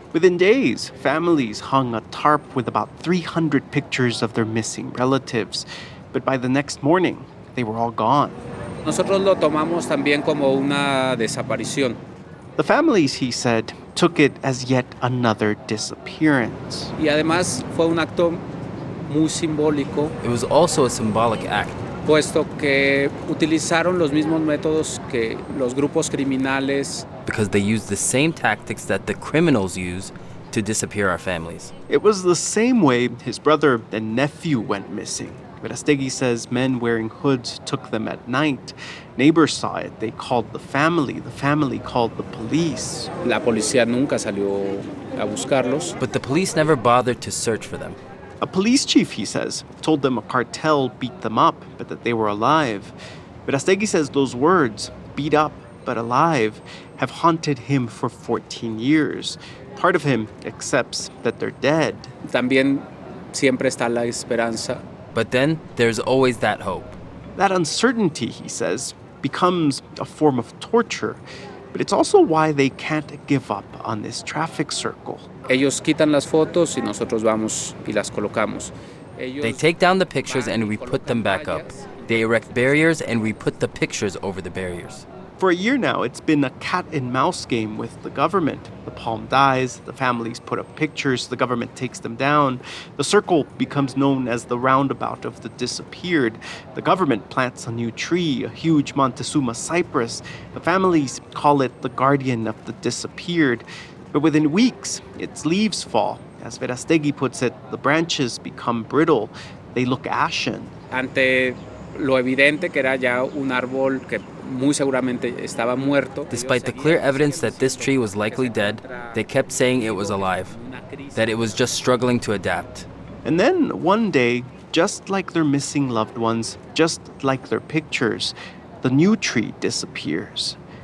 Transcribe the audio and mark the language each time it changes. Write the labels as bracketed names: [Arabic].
[English] Within days, families hung a tarp with about 300 pictures of their missing relatives. But by the next morning, they were all gone. [Spanish] Nosotros lo tomamos también como una desaparición. [English] The families, he said, took it as yet another disappearance. [Spanish] Y además fue un acto. [English] It was also a symbolic act. [Spanish] Puesto que utilizaron los mismos métodos que los grupos criminales. [English] Because they used the same tactics that the criminals use to disappear our families. It was the same way his brother and nephew went missing. Verastegui says men wearing hoods took them at night. Neighbors saw it. They called the family. The family called the police. [Spanish] La policía nunca salió a buscarlos. [English] But the police never bothered to search for them. A police chief, he says, told them a cartel beat them up, but that they were alive. Verastegui says those words, beat up but alive, have haunted him for 14 years. Part of him accepts that they're dead. [Spanish] También siempre está la esperanza. [English] But then there's always that hope. That uncertainty, he says, becomes a form of torture. But it's also why they can't give up on this traffic circle. [Spanish] Ellos quitan las fotos y nosotros vamos y las colocamos. [English] They take down the pictures and we put them back up. They erect barriers and we put the pictures over the barriers. For a year now, it's been a cat and mouse game with the government. The palm dies, the families put up pictures, the government takes them down. The circle becomes known as the roundabout of the disappeared. The government plants a new tree, a huge Montezuma cypress. The families call it the guardian of the disappeared. But within weeks, its leaves fall. As Verastegui puts it, the branches become brittle. They look ashen. [Spanish] Ante lo evidente que era ya un árbol que muy seguramente estaba muerto. [English] Despite the clear evidence that this tree was likely dead, they kept saying it was alive, that it was just struggling to adapt. And then one day, just like their missing loved ones, just like their pictures, the new tree disappears.